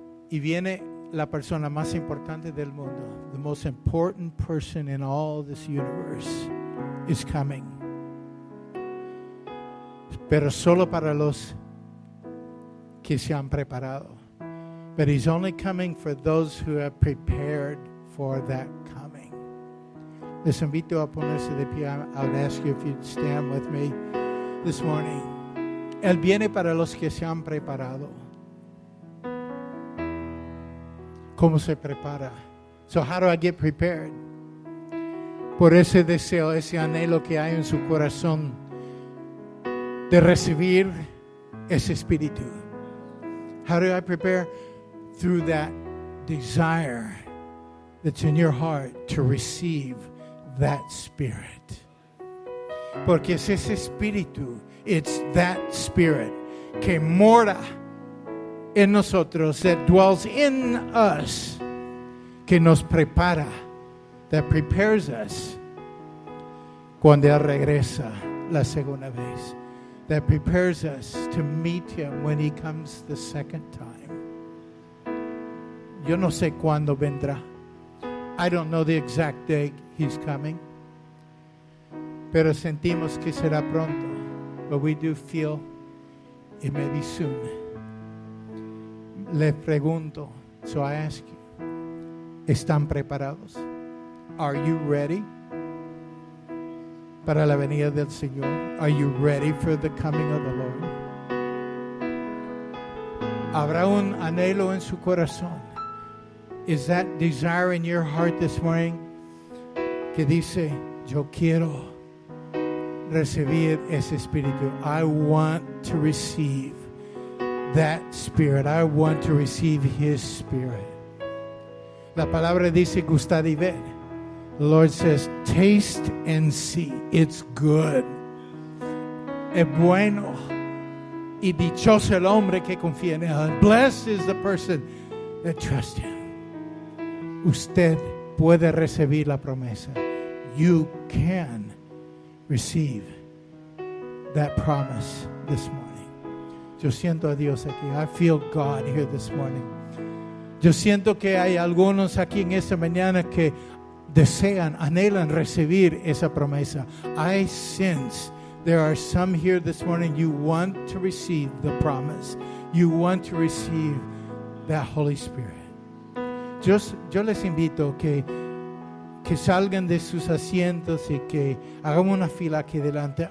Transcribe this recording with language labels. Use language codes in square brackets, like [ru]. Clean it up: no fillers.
[es] Y viene la persona más importante del mundo. [en] The most important person in all this universe is coming. [es] Pero solo para los que se han preparado. [en] But he's only coming for those who have prepared for that coming. [es] Les invito a ponerse de pie. [en] I'll ask you if you'd stand with me this morning. [es] Él viene para los que se han preparado. ¿Cómo se prepara? [en] So how do I get prepared? [es] Por ese deseo, ese anhelo que hay en su corazón de recibir ese espíritu. [en] How do I prepare? Through that desire that's in your heart to receive that spirit. [es] Porque es ese espíritu, [en] it's that spirit [es] que mora en nosotros, [en] that dwells in us, [es] que nos prepara, [en] that prepares us [es] cuando él regresa la segunda vez, [en] that prepares us to meet him when he comes the second time. [es] Yo no sé cuándo vendrá. [en] I don't know the exact day he's coming, [es] pero sentimos que será pronto. [en] But we do feel it may be soon. [es] Le pregunto, [en] so I ask you, [es] ¿están preparados? [en] Are you ready [es] para la venida del Señor? [en] Are you ready for the coming of the Lord? [es] ¿Habrá un anhelo en su corazón? [en] Is that desire in your heart this morning [es] que dice, yo quiero recibir ese espíritu? [en] I want to receive that spirit. I want to receive his spirit. [es] La palabra dice gustar y ver. [en] The Lord says taste and see. It's good. [es] Es bueno. Y dichoso el hombre que confía en él. [en] Blessed is the person that trusts him. [es] Usted puede recibir la promesa. [en] You can receive that promise this morning. [es] Yo siento a Dios aquí. [en] I feel God here this morning. [es] Yo siento que hay algunos aquí en esta mañana que desean, anhelan recibir esa promesa. [en] I sense there are some here this morning, you want to receive the promise. You want to receive that Holy Spirit. [es] Yo les invito que salgan de sus asientos y que hagamos una fila aquí delante.